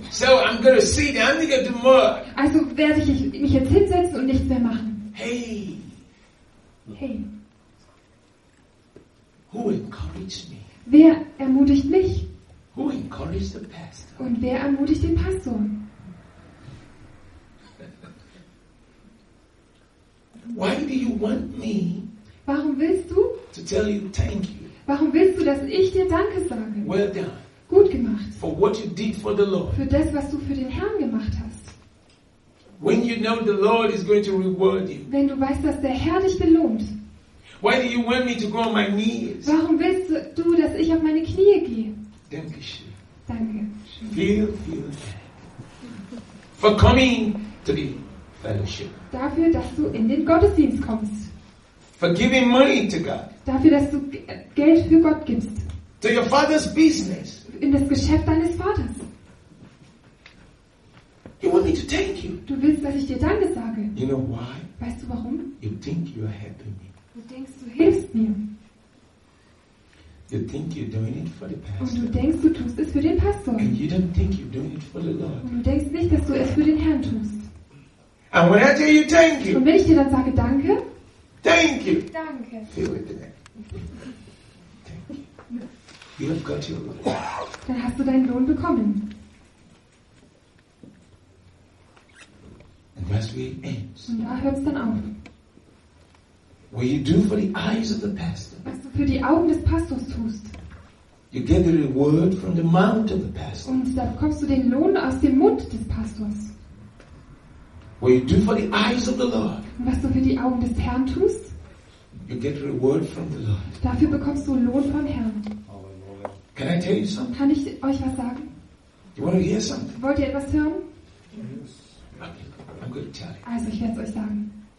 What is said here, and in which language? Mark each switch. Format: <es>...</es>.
<en>So I'm gonna sit, I'm gonna do more.</en> <de>Also werde ich mich jetzt hinsetzen und nichts mehr machen. Hey. Hey.</de> <en>Who encouraged me?</en> <de>Wer ermutigt mich?</de> <en>Who encouraged the pastor?</en> <de>Und wer ermutigt den Pastor?</de> <en>Why do you want me?</en> <de>Warum willst du?</de> <en>To tell you thank you.</en> <de>Warum willst du, dass ich dir Danke sage?</de> <en>Well done.</en> <de>Gut gemacht.</de> <en>For what you did for the Lord.</en> <de>Für das, was du für den Herrn gemacht hast.</de> <en>When you know the Lord is going to reward you.</en> <de>Wenn du weißt, dass der Herr dich belohnt.</de> <en>Why do you want me to go on my knees?</en> <de>Warum willst du, dass ich auf meine Knie gehe? Dankeschön. Danke.</de> <en>Feel for coming to the fellowship.</en> <de>Dafür, dass du in den Gottesdienst kommst.</de> <en>For giving money to God.</en> <de>Dafür, dass du Geld für Gott gibst.</de> <en>To your father's business.</en> <de>In das Geschäft deines Vaters.</de> <en>You want me to thank you.</en> <de>Du willst, dass ich dir Danke sage.</de> <en>You know why?</en> <de>Weißt du warum?</de> <en>You think you are helping me.</en> <de>Du denkst, du hilfst mir.</de> <en>You think you're doing it for the pastor.</en> <de>Und du denkst, du tust es für den Pastor.</de> <en>And you don't think you're doing it for the Lord.</en> <de>Und du denkst nicht, dass du es für den Herrn tust.</de> <en>And when I tell you thank you.</en> <de>Und wenn ich dir dann sage Danke.</de> <en>Thank you.</en> <de>Danke.</de> <en>Feel it there. Thank you. You have got your reward.</en> <de>Dann hast du deinen Lohn bekommen.</de> <en>And that's where it ends.</en> <de>Und da hört es dann auf.</de> <en>What you do for the eyes of the pastor.</en> <de>Was du für die Augen des Pastors tust.</de> <en>You get the reward from the mouth of the pastor.</en> <de>Und da bekommst du den Lohn aus dem Mund des Pastors.</de> <en>What you do for the eyes of the Lord.</en> <de>Was du für die Augen des Herrn tust.</de> <en>You get reward from the Lord.</en> <de>Dafür bekommst du Lohn vom Herrn.</de> <en>Can I tell you something?</en> <de>Kann ich euch was sagen?</de> <en>You want to hear something?</en> <de>Wollt ihr etwas hören?</de> <en>Yes. I'm going to tell you.</en> <de>Also ich werde es euch sagen.</de>